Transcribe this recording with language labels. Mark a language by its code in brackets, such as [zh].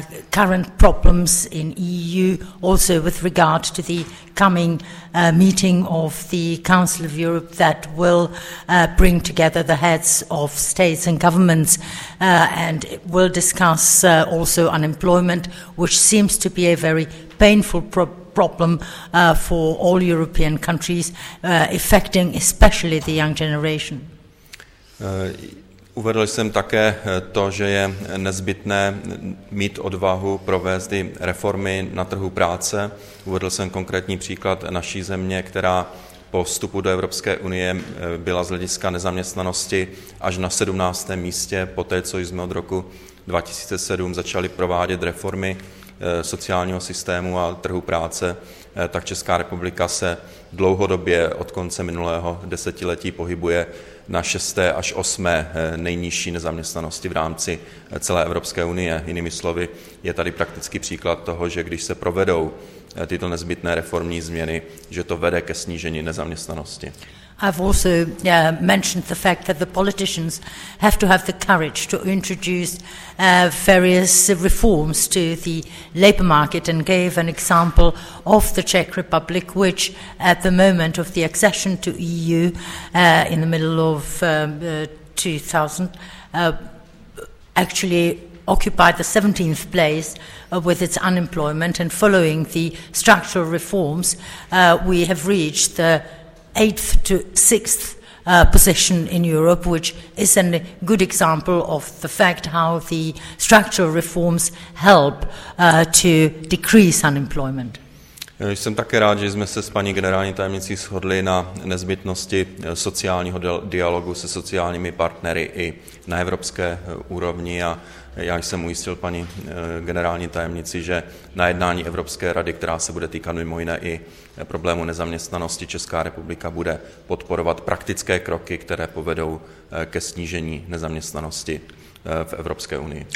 [en] current problems in EU, also with regard to the coming meeting of the Council of Europe that will bring together the heads of states and governments and will discuss also unemployment, which seems to be a very painful problem for all European countries, affecting especially the young generation. [cs] Uvedl jsem také to, že je nezbytné mít odvahu provést i reformy na trhu práce. Uvedl jsem konkrétní příklad naší země, která po vstupu do Evropské unie byla z hlediska nezaměstnanosti až na 17. místě, poté co jsme od roku 2007 začali provádět reformy sociálního systému a trhu práce, tak Česká republika se dlouhodobě od konce minulého desetiletí pohybuje na 6. až 8. nejnižší nezaměstnanosti v rámci celé Evropské unie. Jinými slovy, je tady praktický příklad toho, že když se provedou tyto nezbytné reformní změny, že to vede ke snížení nezaměstnanosti. [en] I've also mentioned the fact that the politicians have to have the courage to introduce various reforms to the labour market and gave an example of the Czech Republic, which at the moment of the accession to EU in the middle of 2000 actually occupied the 17th place with its unemployment, and following the structural reforms we have reached the 8th to 6th position in Europe, which is a good example of the fact how the structural reforms help to decrease unemployment. [cs] Jsem také rád, že jsme se s paní generální tajemnicí shodli na nezbytnosti sociálního dialogu se sociálními partnery i na evropské úrovni, a já jsem ujistil paní generální tajemnici, že na jednání Evropské rady, která se bude týkat mimo jiné i problému nezaměstnanosti, Česká republika bude podporovat praktické kroky, které povedou ke snížení nezaměstnanosti v Evropské unii.